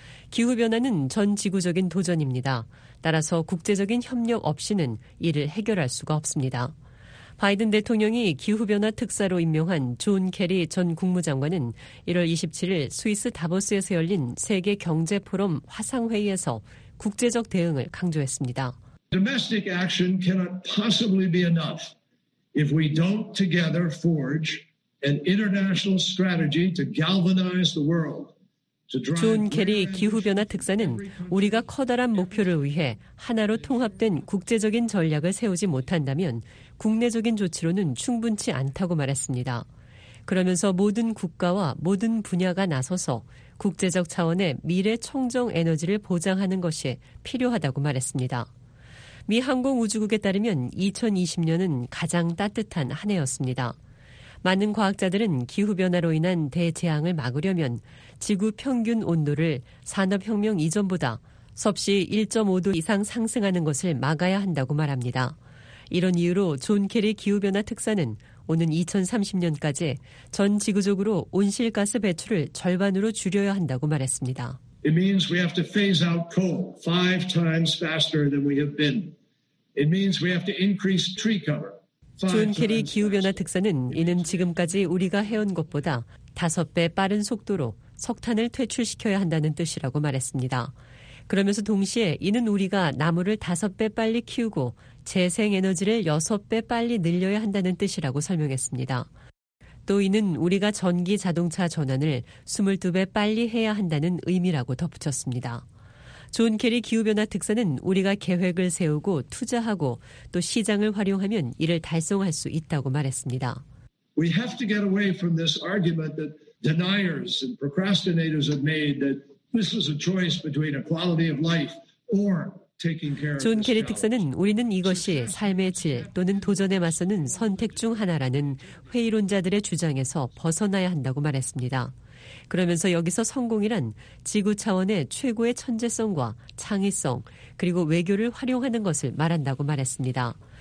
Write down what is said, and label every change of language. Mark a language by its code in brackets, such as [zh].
[ko] 기후변화는 전 지구적인 도전입니다. 따라서 국제적인 협력 없이는 이를 해결할 수가 없습니다. 바이든 대통령이 기후변화 특사로 임명한 존 케리 전 국무장관은 1월 27일 스위스 다보스에서 열린 세계 경제 포럼 화상회의에서 국제적 대응을 강조했습니다. [en] Domestic action cannot possibly be enough if we don't together forge an international strategy to galvanize the world. [ko] 존 케리 기후변화 특사는 우리가 커다란 목표를 위해 하나로 통합된 국제적인 전략을 세우지 못한다면 국내적인 조치로는 충분치 않다고 말했습니다. 그러면서 모든 국가와 모든 분야가 나서서 국제적 차원의 미래 청정 에너지를 보장하는 것이 필요하다고 말했습니다. 미 항공우주국에 따르면 2020년은 가장 따뜻한 한 해였습니다. 많은 과학자들은 기후변화로 인한 대재앙을 막으려면 지구 평균 온도를 산업혁명 이전보다 섭씨 1.5도 이상 상승하는 것을 막아야 한다고 말합니다. 이런 이유로 존 케리 기후변화 특사는 오는 2030년까지 전 지구적으로 온실가스 배출을 절반으로 줄여야 한다고 말했습니다. [en] It means we have to phase out coal five times faster than we have been. It means we have to increase tree cover. [ko] 존 케리 기후변화 특사는 이는 지금까지 우리가 해온 것보다 5배 빠른 속도로 석탄을 퇴출시켜야 한다는 뜻이라고 말했습니다. 그러면서 동시에 이는 우리가 나무를 5배 빨리 키우고 재생에너지를 6배 빨리 늘려야 한다는 뜻이라고 설명했습니다. 또 이는 우리가 전기 자동차 전환을 22배 빨리 해야 한다는 의미라고 덧붙였습니다. 존 케리 기후변화 특사는 우리가 계획을 세우고 투자하고 또 시장을 활용하면 이를 달성할 수 있다고 말했습니다. [en] We have to get away from this argument that deniers and procrastinators have made that this is a choice between a quality of life or taking care of. [ko] 존 케리 특사는 우리는 이것이 삶의 질 또는 도전에 맞서는 선택 중 하나라는 회의론자들의 주장에서 벗어나야 한다고 말했습니다. 그러면서 여기서 성공이란 지구 차원의 최고의 천재성과 창의성 그리고 외교를 활용하는 것을 말한다고 말했습니다.